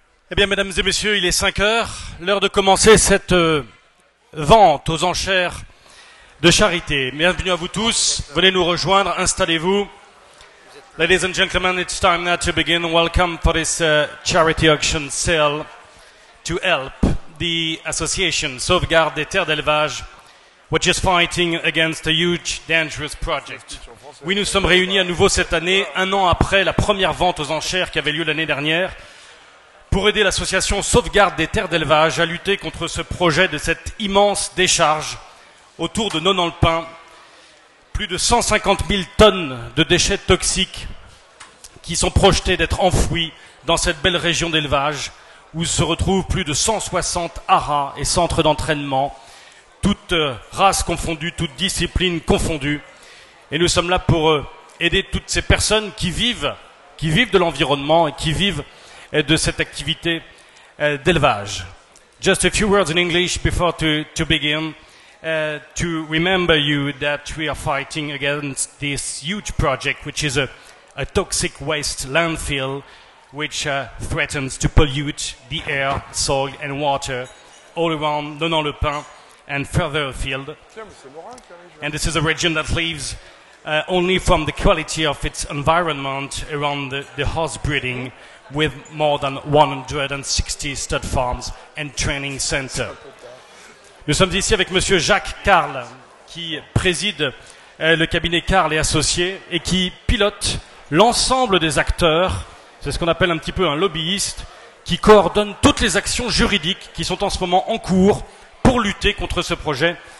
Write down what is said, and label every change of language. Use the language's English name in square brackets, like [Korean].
[French] Eh bien, mesdames et messieurs, il est 5 heures, l'heure de commencer cette vente aux enchères de charité. Bienvenue à vous tous, venez nous rejoindre, installez-vous. [English] Ladies and gentlemen, it's time now to begin. Welcome for this charity auction sale to help the association Sauvegarde des Terres d'Élevage, which is fighting against a huge, dangerous project. [French] Oui, nous sommes réunis à nouveau cette année, un an après la première vente aux enchères qui avait lieu l'année dernière, pour aider l'association Sauvegarde des Terres d'Élevage à lutter contre ce projet de cette immense décharge autour de Nonant-le-Pin. Plus de 150 000 tonnes de déchets toxiques qui sont projetés d'être enfouis dans cette belle région d'élevage où se retrouvent plus de 160 haras et centres d'entraînement, toutes races confondues, toutes disciplines confondues. Et nous sommes là pour aider toutes ces personnes qui vivent de l'environnement et qui vivent de cette activité d'élevage. [English] Just a few words in English before to begin. To remember you that we are fighting against this huge project, which is a toxic waste landfill, which threatens to pollute the air, soil and water all around Nonant-le-Pin and further afield. And this is a region that lives only from the quality of its environment around the horse breeding, with more than 160 stud farms and training center. [French] Nous sommes ici avec Monsieur Jacques Carle, qui préside le cabinet Carle et Associés et qui pilote l'ensemble des acteurs, c'est ce qu'on appelle un petit peu un lobbyiste, qui coordonne toutes les actions juridiques qui sont en ce moment en cours pour lutter contre ce projet.